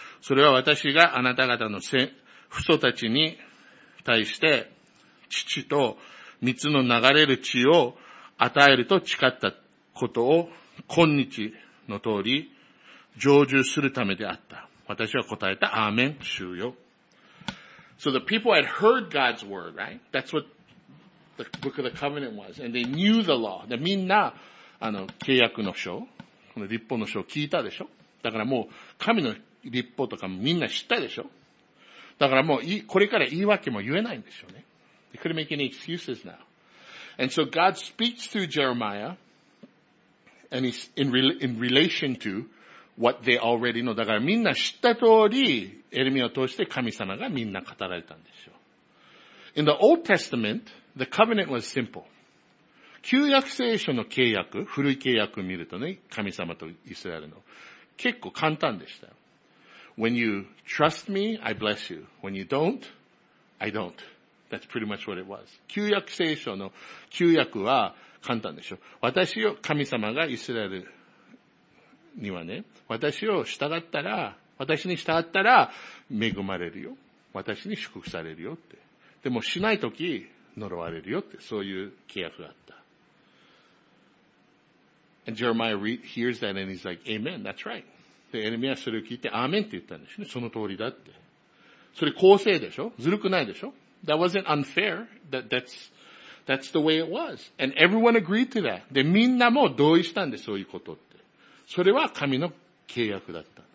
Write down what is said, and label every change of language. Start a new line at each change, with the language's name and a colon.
Japanese: それは私があなた方の父祖たちに対して、父と水の流れる血を与えると誓ったことを、今日の通り、成就するためであった。私は答えた、アーメン、主よ。
English: So the people had heard God's word, right? That's what... The book of the covenant was, and they knew the law.
Japanese: で、みんな、契約の書、この立法の書を聞いたでしょ。だからもう、神の立法とかもみんな知ったでしょ。だからもう、これから言い訳も言えないんでしょうね。
English: They couldn't make any excuses now. And so God speaks through Jeremiah, and he's in relation to what they already know.
Japanese: だからみんな知った通り、エレミアを通して神様がみんな語られたんでしょう。
English: In the Old Testament,The covenant was simple.
Japanese: 旧約聖書の契約、古い契約を見るとね、神様とイスラエルの。結構簡単でした。
English: When you trust me, I bless you. When you don't, I don't. That's pretty much what it was.
Japanese: 旧約聖書の旧約は簡単でしょ。私を、神様がイスラエルにはね、私を従ったら、私に従ったら恵まれるよ。私に祝福されるよって。でもしないとき、呪われるよって、そういう契約があった。
English: And Jeremiah hears that and he's like, Amen, that's right.
Japanese: で、エレミアそれを聞いて、アーメンって言ったんですね。その通りだって。それ公正でしょ?ずるくないでしょ?
English: That wasn't unfair. That's the way it was. And everyone agreed to that.
Japanese: で、みんなも同意したんで、そういうことって。それは神の契約だった。